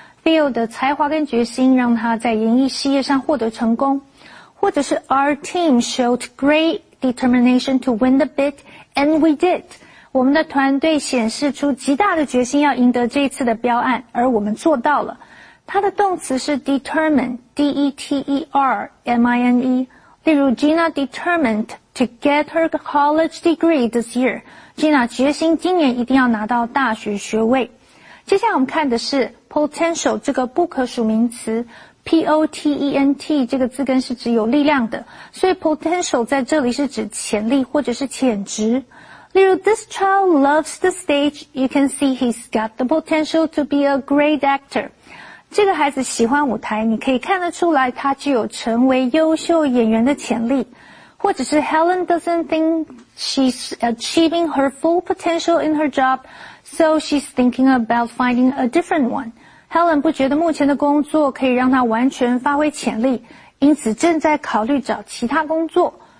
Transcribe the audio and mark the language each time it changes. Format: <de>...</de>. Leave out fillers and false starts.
<zh>Theo 的才华跟决心让他在演艺事业上获得成功。或者是</zh> <en>our team showed great determination to win the bid and we did.</en> <zh>我们的团队显示出极大的决心要赢得这一次的标案，而我们做到了。它的动词是 determine,D-E-T-E-R-M-I-N-E。例如</zh> <en>,Gina determined to get her college degree this year.</en> <zh>Gina 决心今年一定要拿到大学学位。接下来我们看的是 potential 这个不可数名词。 P-O-T-E-N-T 这个字根是指有力量的。所以 potential 在这里是指潜力或者是潜质。例如</zh> <en>This child loves the stage. You can see he's got the potential to be a great actor.</en> <zh>这个孩子喜欢舞台，你可以看得出来他具有成为优秀演员的潜力。或者是</zh> <en>Helen doesn't think she's achieving her full potential in her job, so she's thinking about finding a different one.</en> <zh>Helen 不觉得目前的工作可以让她完全发挥潜力，因此正在考虑找其他工作。</zh>